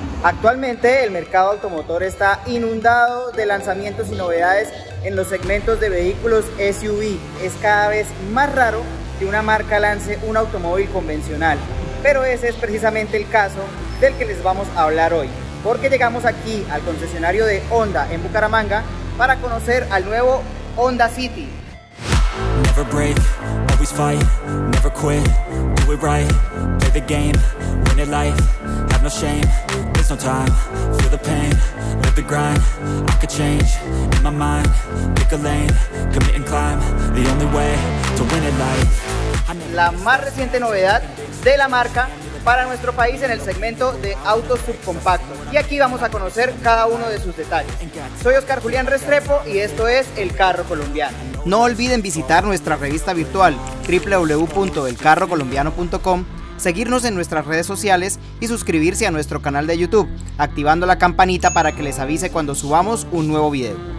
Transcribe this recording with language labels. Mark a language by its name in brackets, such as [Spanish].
[Spanish] Actualmente el mercado automotor está inundado de lanzamientos y novedades en los segmentos de vehículos SUV. Es cada vez más raro que una marca lance un automóvil convencional, pero ese es precisamente el caso del que les vamos a hablar hoy, porque llegamos aquí al concesionario de Honda en Bucaramanga para conocer al nuevo Honda City. [English] Never break, always fight, never quit, do it right, play the game, win it life, have no shame, there's no time, feel the pain, live the grind, I could change, in my mind, pick a lane, commit and climb, the only way to win it life. [Spanish] La más reciente novedad de la marca para nuestro país en el segmento de autos subcompactos, y aquí vamos a conocer cada uno de sus detalles. Soy Oscar Julián Restrepo y esto es El Carro Colombiano. No olviden visitar nuestra revista virtual www.elcarrocolombiano.com, seguirnos en nuestras redes sociales y suscribirse a nuestro canal de YouTube, activando la campanita para que les avise cuando subamos un nuevo video.